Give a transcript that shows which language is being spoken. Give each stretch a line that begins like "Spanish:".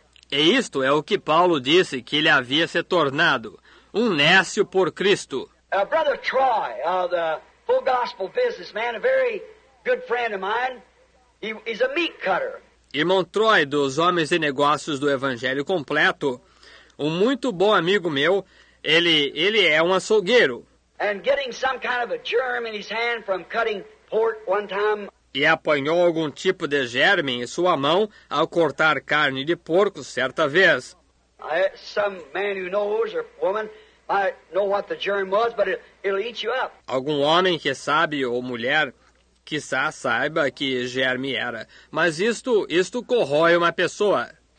Portuguese: E isto é o que Paulo disse que ele havia se tornado, um nécio por Cristo.
English: Brother Troy, the full gospel businessman, a very good friend of mine, he's a meat cutter.
Portuguese: Irmão Troy, dos homens de negócios do Evangelho Completo, um muito bom amigo meu, ele é um açougueiro.
English: And getting some kind of a germ in his hand from cutting pork one time.
Portuguese: E apanhou algum tipo de germe em sua mão ao cortar carne de porco certa vez.
English: Some man who knows or woman might know what the germ was, but it'll eat you up.
Portuguese: Algum homem que sabe ou mulher quizá saiba que germe era, mas isto corrói uma pessoa.